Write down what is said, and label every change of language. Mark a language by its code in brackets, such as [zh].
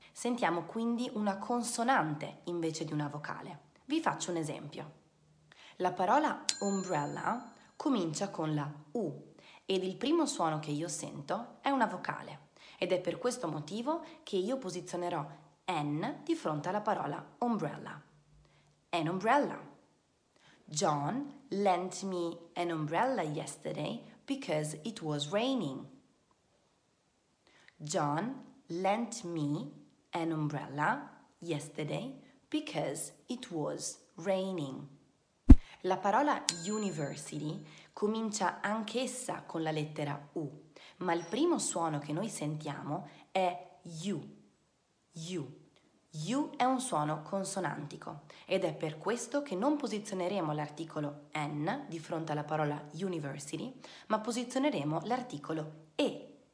[it] Sentiamo quindi una consonante invece di una vocale. Vi faccio un esempio. La parola umbrella comincia con la U ed il primo suono che io sento è una vocale ed è per questo motivo che io posizionerò N di fronte alla parola umbrella. [en] An umbrella. John lent me an umbrella yesterday because it was raining. John lent me an umbrella yesterday because it was raining. [it] La parola university comincia anch'essa con la lettera U, ma il primo suono che noi sentiamo è U. U. U è un suono consonantico ed è per questo che non posizioneremo l'articolo N di fronte alla parola university, ma posizioneremo l'articolo E.